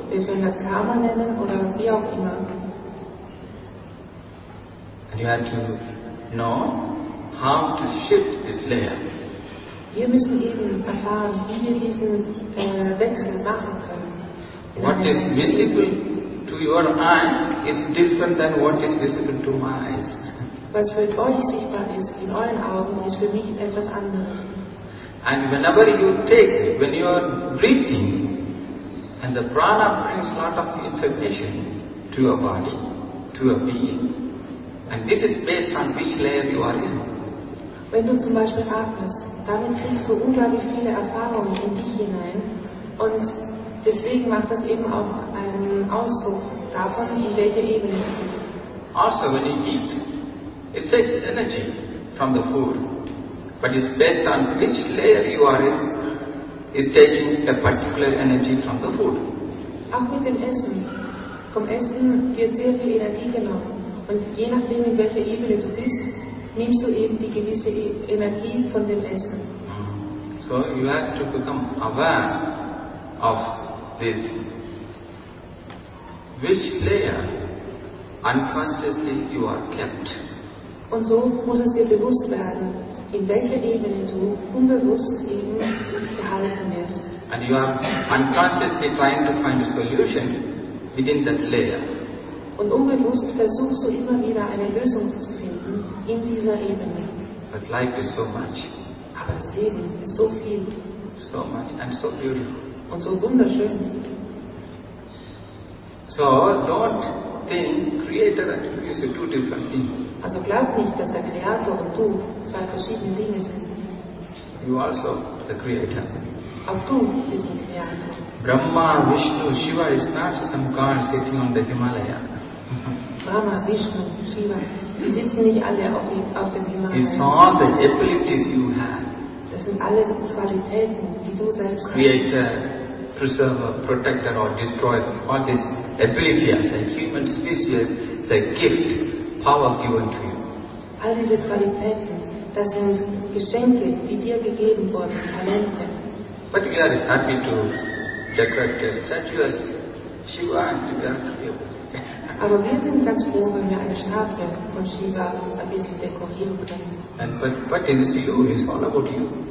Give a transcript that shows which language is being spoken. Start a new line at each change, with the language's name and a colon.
German: Wir können das Karma nennen oder wie auch immer.
English: And you have to know how to shift this layer.
German: Wir müssen eben erfahren, wie wir diesen Wechsel machen können.
English: What is visible to your eyes is different than what is visible to my eyes.
German: Was für euch sichtbar ist in euren Augen, ist für mich etwas anderes.
English: And whenever you take, when you are breathing, and the prana brings a lot of information to your body, to your being, and this is based on which layer you are in.
German: Wenn du zum Beispiel atmest, damit kriegst du unglaublich viele Erfahrungen in dich hinein, Und deswegen macht das eben auch einen Ausdruck davon, in welcher Ebene es ist.
English: Also, when you eat, it takes energy from the food. But it's based on which layer you are in, is taking a particular energy from the food.
German: Auch mit dem Essen. Vom Essen wird sehr viel Energie genommen. Und je nachdem, in welcher Ebene du bist, nimmst du eben die gewisse Energie von dem Essen.
English: So you have to become aware of this. Which layer unconsciously you are kept.
German: Und so muss es dir bewusst werden, in welcher Ebene du unbewusst eben gehalten wirst.
English: And you are unconsciously trying to find a solution within that layer.
German: Und unbewusst versuchst du immer wieder eine Lösung zu finden in dieser Ebene.
English: But life is so much.
German: Aber das Leben ist so viel.
English: So much and so beautiful.
German: Und so wunderschön.
English: So don't think creator and you is two different things.
German: Also glaub nicht, dass der Kreator und du zwei verschiedene Dinge sind.
English: You also the creator.
German: Auch du bist ein Kreator.
English: Brahma, Vishnu, Shiva is not some god sitting on the Himalaya.
German: Brahma, Vishnu, Shiva, die sitzen nicht alle auf dem Himalaya.
English: It's all the abilities you have.
German: Das sind alles Qualitäten, die du selbst hast.
English: Creator, preserver, protector or destroyer, all this ability as a human species is a gift, power given to you.
German: All diese Qualitäten, das sind Geschenke, die dir gegeben wurden, Talente.
English: But we are happy to decorate the statues, Shiva and Garthia.
German: Aber wir sind ganz froh, wenn wir eine Statue von Shiva ein bisschen dekorieren können.
English: And but it is you, it's all about you.